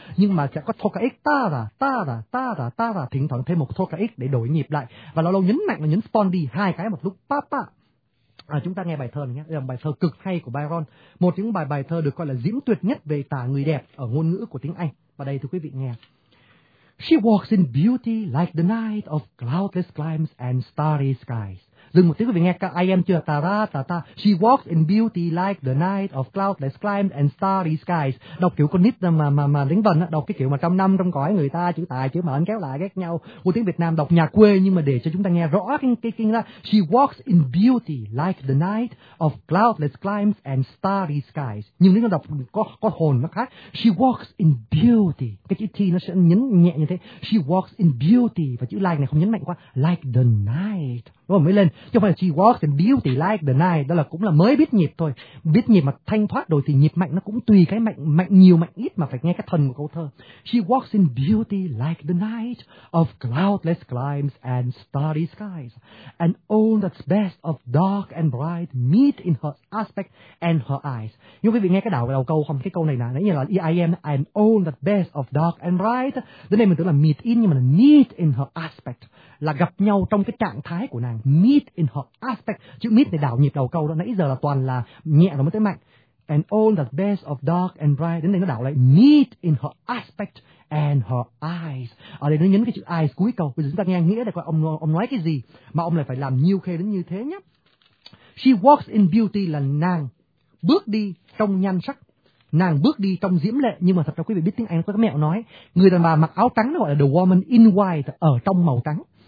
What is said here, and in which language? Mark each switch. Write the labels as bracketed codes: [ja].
[vi] Nhưng mà sẽ có thô cái x ta ra, ta ra, ta ra, ta ra. Thỉnh thoảng thêm một thô cái x để đổi nhịp lại. Và lâu lâu nhấn mạnh là nhấn son đi hai cái một lúc pa pa. À, chúng ta nghe bài thơ này nhé, đây là bài thơ cực hay của Byron, một trong những bài thơ được coi là diễm tuyệt nhất về tả người đẹp ở ngôn ngữ của tiếng Anh. Và đây thưa quý vị nghe. [en] She walks in beauty like the night of cloudless climes and starry skies. [vi] Dừng một tiếng quý vị nghe, I am chưa, ta ra, ta ta. [en] She walks in beauty like the night of cloudless climes and starry skies. [vi] Đọc kiểu con nít mà đính vần, đọc cái kiểu mà trong năm, trong cõi người ta, chữ tài, chữ mệnh kéo lại ghét nhau. Một tiếng Việt Nam đọc nhà quê nhưng mà để cho chúng ta nghe rõ cái kinh ra. [en] She walks in beauty like the night of cloudless climes and starry skies. [vi] Nhưng nếu đọc có hồn nó khác. [en] She walks in beauty. [vi] Cái chữ T nó sẽ nhấn nhẹ như thế. [en] She walks in beauty. [vi] Và chữ like này không nhấn mạnh quá. [en] Like the night. [vi] Rồi mới lên, chứ không phải là [en] she walks in beauty like the night. [vi] Đó là cũng là mới biết nhịp thôi. Biết nhịp mà thanh thoát rồi thì nhịp mạnh nó cũng tùy cái mạnh, mạnh nhiều mạnh ít mà phải nghe cái thần của câu thơ. [en] She walks in beauty like the night of cloudless climes and starry skies. And all that's best of dark and bright meet in her aspect and her eyes. [vi] Nhưng quý vị nghe cái đầu câu không? Cái câu này nãy là I am [en] and all that's best of dark and bright. [vi] Đến đây mình tưởng là meet in, nhưng mà là [en] meet in her aspect, [vi] là gặp nhau trong cái trạng thái của nàng. [en] Meet in her aspect. [vi] Chữ meet này đảo nhịp đầu câu đó. Nãy giờ là toàn là nhẹ rồi mới tới mạnh. [en] And all the best of dark and bright. [vi] Đến đây nó đảo lại. [en] Meet in her aspect and her eyes. [vi] Ở đây nó nhấn cái chữ eyes cuối câu. Bây giờ chúng ta nghe nghĩa là coi ông nói cái gì mà ông lại phải làm nhiều khê đến như thế nhé. [en] She walks in beauty [vi] là nàng bước đi trong nhan sắc. Nàng bước đi trong diễm lệ. Nhưng mà thật ra quý vị biết tiếng Anh có cái mẹo nói. Người đàn bà mặc áo trắng nó gọi là [en] the woman in white, [vi] ở trong màu trắng.